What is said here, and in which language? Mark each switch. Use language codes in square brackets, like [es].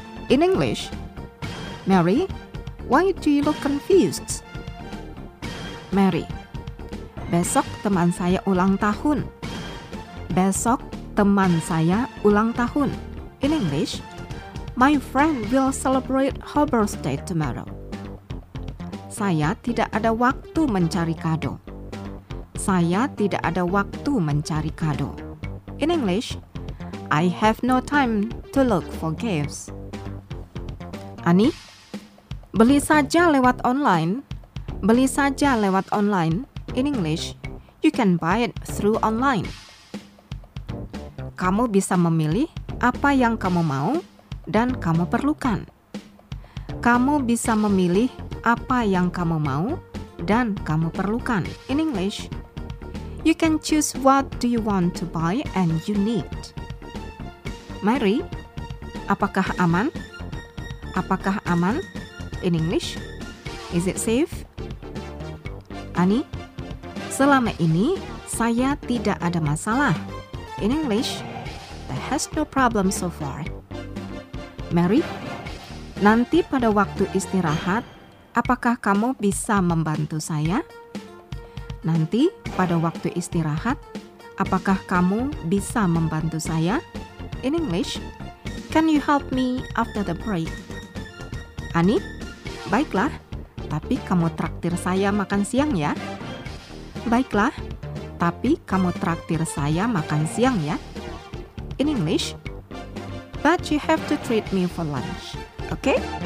[en] In English, Mary, why do you look confused? [id] Mary, besok teman saya ulang tahun. Besok teman saya ulang tahun. [en] In English, my friend will celebrate her birthday tomorrow. [id] Saya tidak ada waktu mencari kado. Saya tidak ada waktu mencari kado. [en] In English, I have no time to look for gifts. [id] Ani, beli saja lewat online. Beli saja lewat online. [en] In English, you can buy it through online. [id] Kamu bisa memilih apa yang kamu mau dan kamu perlukan. Kamu bisa memilih apa yang kamu mau dan kamu perlukan. [en] In English, you can choose what do you want to buy and you need. [id] Mary, apakah aman? Apakah aman? [en] In English, is it safe? [id] Ani, selama ini saya tidak ada masalah. [en] In English, there has no problem so far. [id] Mary, nanti pada waktu istirahat, apakah kamu bisa membantu saya? Nanti pada waktu istirahat, apakah kamu bisa membantu saya? [en] In English, can you help me after the break? [id] Ani, baiklah, tapi kamu traktir saya makan siang ya. Baiklah, tapi kamu traktir saya makan siang ya. [en] In English, but you have to treat me for lunch, okay?